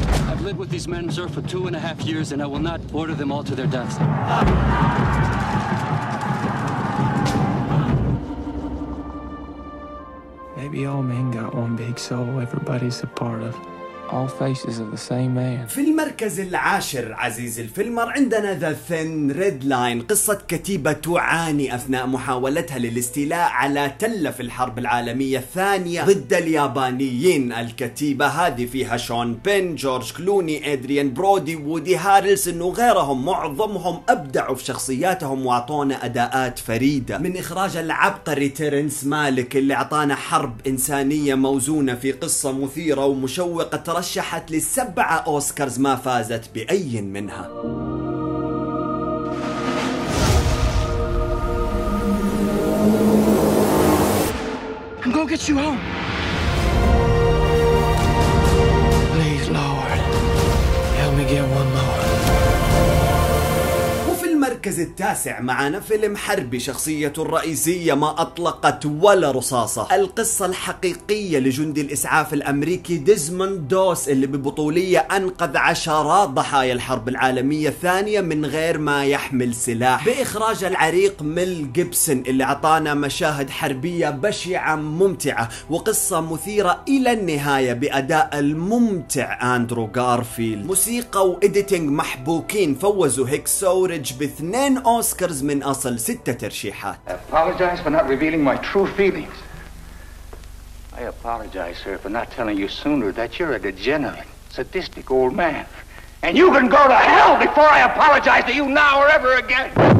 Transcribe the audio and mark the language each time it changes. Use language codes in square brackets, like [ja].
[en] I've lived with these men, sir, for 2.5 years, and I will not order them all to their deaths. Maybe all men got one big soul everybody's a part of. All faces of the same man. [ar] في المركز العاشر عزيزي الفيلمر عندنا The Thin Red Line، قصة كتيبة تعاني أثناء محاولتها للاستيلاء على تلة في الحرب العالمية الثانية ضد اليابانيين. الكتيبة هذه فيها شون بين، جورج كلوني، إدريان برودي، وودي هارلسون وغيرهم، معظمهم أبدعوا في شخصياتهم وعطونا أداءات فريدة، من إخراج العبقري تيرنس مالك اللي عطانا حرب إنسانية موزونة في قصة مثيرة ومشوقة، ترشحت للسبعة أوسكارز ما فازت بأي منها. [en] I'm gonna get you home. Please, Lord, help me get one more. [ar] المركز التاسع معنا فيلم حربي، شخصية الرئيسية ما أطلقت ولا رصاصة، القصة الحقيقية لجندي الإسعاف الأمريكي ديزموند دوس اللي ببطولية أنقذ عشرات ضحايا الحرب العالمية الثانية من غير ما يحمل سلاح، بإخراج العريق ميل جيبسون اللي عطانا مشاهد حربية بشعة ممتعة وقصة مثيرة إلى النهاية بأداء الممتع أندرو غارفيلد. موسيقى وإديتينج محبوكين، فوزوا هيك سورج باثنين أوسكارز من أصل 6 ترشيحات. [en] I apologize for not revealing my true feelings. I apologize, sir, for not telling you sooner that you're a degenerate, sadistic old man. And you can go to hell before I apologize to you now or ever again.